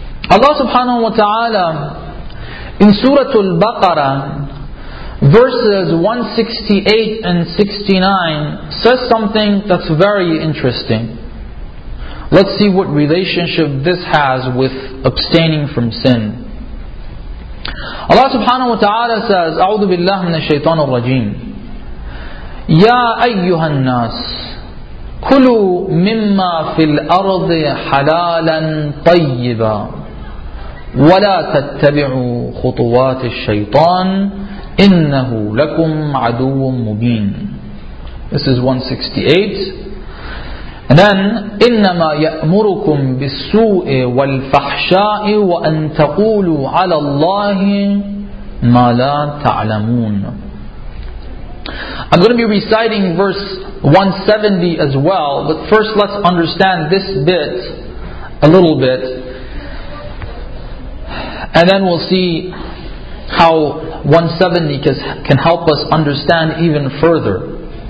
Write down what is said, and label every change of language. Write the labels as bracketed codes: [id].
[en] Allah subhanahu wa ta'ala in Surah Al-Baqarah, verses 168 and 69, says something that's very interesting. Let's see what relationship this has with abstaining from sin. [ar] Allah subhanahu wa ta'ala says, أعوذ بالله من الشيطان الرجيم يا أيها الناس كلوا مما في الأرض حلالا طيبا ولا تتبعوا خطوات الشيطان إنه لكم عدو مبين. [en] This is 168. And then [ar] إنما يأمركم بالسوء والفحشاء وأن تقولوا على الله ما لا تعلمون. [en] I'm going to be reciting verse 170 as well, but first let's understand this bit a little bit, and then we'll see how 170 can help us understand even further.